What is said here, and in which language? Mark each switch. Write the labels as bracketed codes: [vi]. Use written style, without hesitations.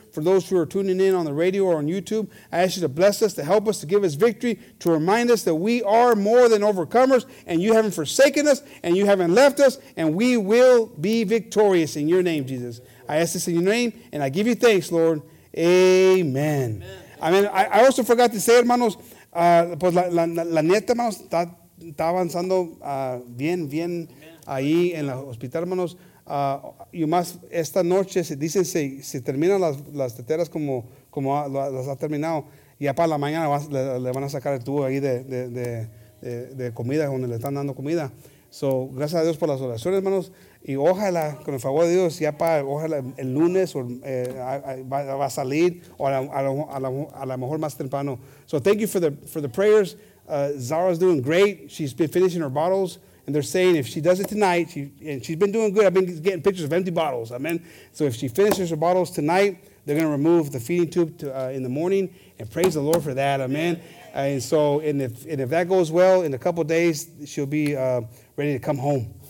[en] For those who are tuning in on the radio or on YouTube, I ask you to bless us, to help us, to give us victory, to remind us that we are more than overcomers, and you haven't forsaken us, and you haven't left us, and we will be victorious in your name, Jesus. I ask this in your name, and I give you thanks, Lord. Amen. Amen. I also forgot to say, [es] hermanos, pues la neta, hermanos, está avanzando bien ahí en el hospital, hermanos. Y más esta noche se terminan las teteras como las ha terminado, y ya para la mañana le van a sacar el tubo ahí de comida, donde le están dando comida. So, gracias a Dios por las oraciones, hermanos, y ojalá, con el favor de Dios, ya para ojalá el lunes va a salir, o a lo mejor más temprano. [en] So thank you for the prayers. Zara's doing great. She's been finishing her bottles. And they're saying if she does it tonight, she's been doing good. I've been getting pictures of empty bottles. Amen. So if she finishes her bottles tonight, they're going to remove the feeding tube in the morning. And praise the Lord for that. Amen. And if that goes well, in a couple of days, she'll be ready to come home.